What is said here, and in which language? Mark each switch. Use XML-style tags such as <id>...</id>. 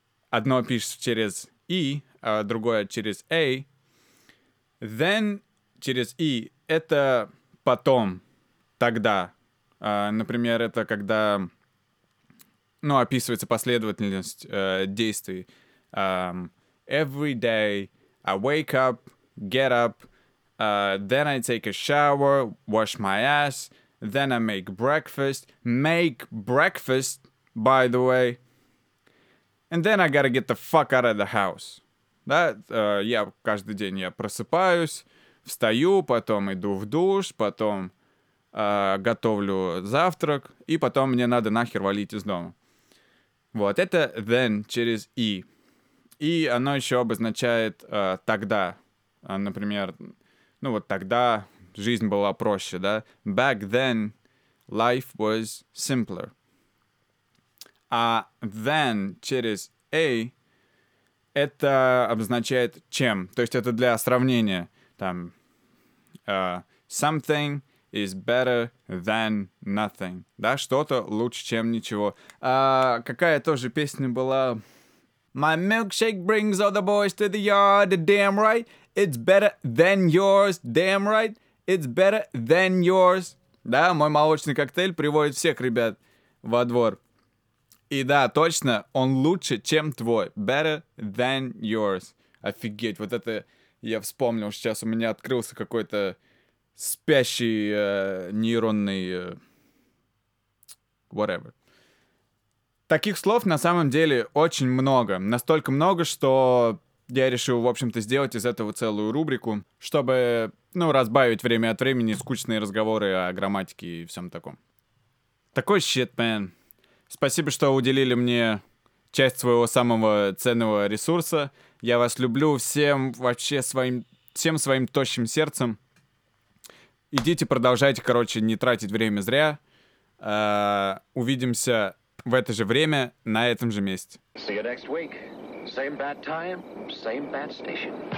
<ru>Одно пишется через и, а другое через A. Then через E — это потом, тогда. Например, это когда, ну, описывается последовательность действий.</ru> <en>Every day I wake up, get up, then I take a shower, wash my ass, then I make breakfast. Make breakfast, by the way. And then I gotta get the fuck out of the house.</en> <ru>Да, я каждый день я просыпаюсь, встаю, потом иду в душ, потом готовлю завтрак, и потом мне надо нахер валить из дома. Вот, это then через и. И оно еще обозначает тогда. Например, ну вот тогда жизнь была проще, да?</ru> <en>Back then life was simpler.</en> <ru>А then через a... это обозначает чем. То есть это для сравнения.</ru> <en>Там, something is better than nothing.</en> <ru>Да, что-то лучше, чем ничего. Какая тоже песня была?</ru> <en>My milkshake brings all the boys to the yard, damn right. It's better than yours, damn right. It's better than yours.</en> <ru>Да, мой молочный коктейль приводит всех ребят во двор. И да, точно, он лучше, чем твой.</ru> <en>Better than yours.</en> <ru>Офигеть, вот это я вспомнил. Сейчас у меня открылся какой-то спящий нейронный...</ru> <en>whatever.</en> <ru>Таких слов на самом деле очень много. Настолько много, что я решил, в общем-то, сделать из этого целую рубрику, чтобы, ну, разбавить время от времени скучные разговоры о грамматике и всем таком.</ru> <en>Такой shit, man.</en> <ru>Спасибо, что уделили мне часть своего самого ценного ресурса. Я вас люблю всем вообще своим, всем своим тощим сердцем. Идите, продолжайте, короче, не тратить время зря. Увидимся в это же время на этом же месте.</ru> <en>See you next week. Same bad time, same bad station.</en>